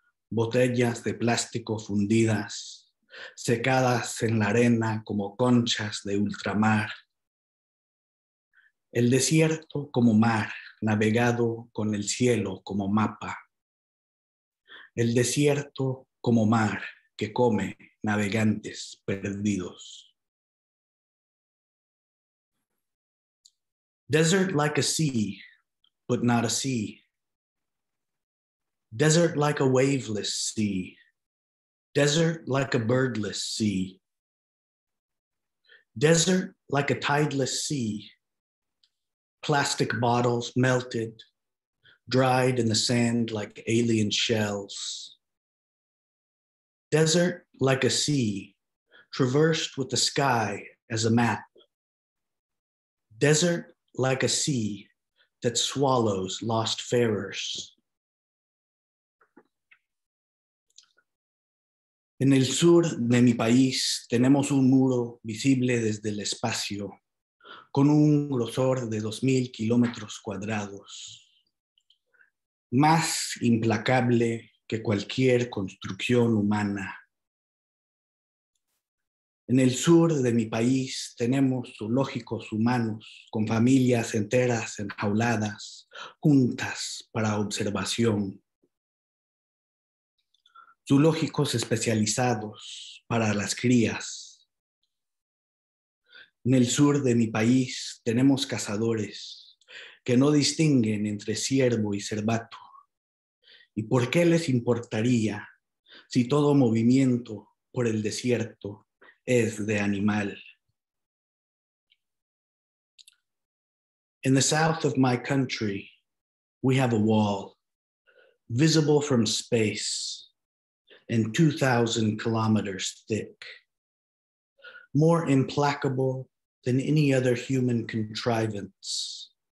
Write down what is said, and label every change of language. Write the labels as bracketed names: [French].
[Spanish] Botellas de plástico fundidas, secadas en la arena como conchas de ultramar. El desierto como mar, navegado con el cielo como mapa. El desierto como mar que come navegantes perdidos. [English] Desert like a sea, but not a sea. Desert like a waveless sea. Desert like a birdless sea. Desert like a tideless sea, plastic bottles melted, dried in the sand like alien shells. Desert like a sea, traversed with the sky as a map. Desert like a sea that swallows lost farers. [Spanish] En el sur de mi país tenemos un muro visible desde el espacio, con un grosor de 2,000 kilómetros cuadrados, más implacable que cualquier construcción humana. En el sur de mi país tenemos zoológicos humanos con familias enteras enjauladas, juntas para observación. Zoológicos especializados para las crías. En el sur de mi país tenemos cazadores que no distinguen entre ciervo y cervato. ¿Y por qué les importaría si todo movimiento por el desierto es de animal? [English] In the south of my country, we have a wall, visible from space, and 2,000 kilometers thick, more implacable than any other human contrivance.